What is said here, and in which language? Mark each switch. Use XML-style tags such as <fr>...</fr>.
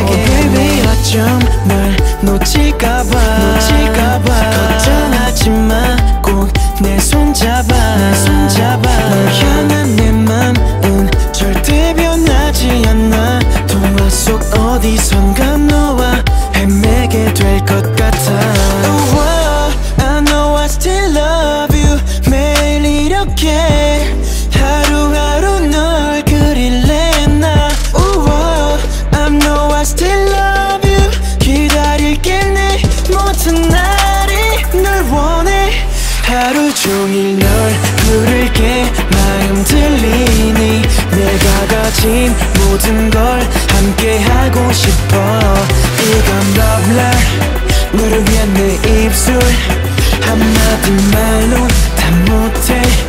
<en>Oh baby</en> <ko>어쩜 널 놓칠까봐 놓칠까봐 걱정하지마 꼭 내 손 잡아 내 손 잡아. 널 향한 내 맘은 절대 변하지 않아. 동화 속 어디선가 너와 헤매게 될 것 같아.</ko> <en>Oh, oh, I know I still love you.</en> <ko>매일 이렇게 하루하루 널 그릴래 나.</ko> <en>Oh, oh, I know I still love you.</en> <ko>기다릴게 내 모든 날이 널 원해. 하루 종일 널 부를게 마음 들리니. 내가 가진 모든 걸 함께 하고 싶어. 이건 러블러 너를 위한 내 입술 한마디 말로 다 못해.</ko>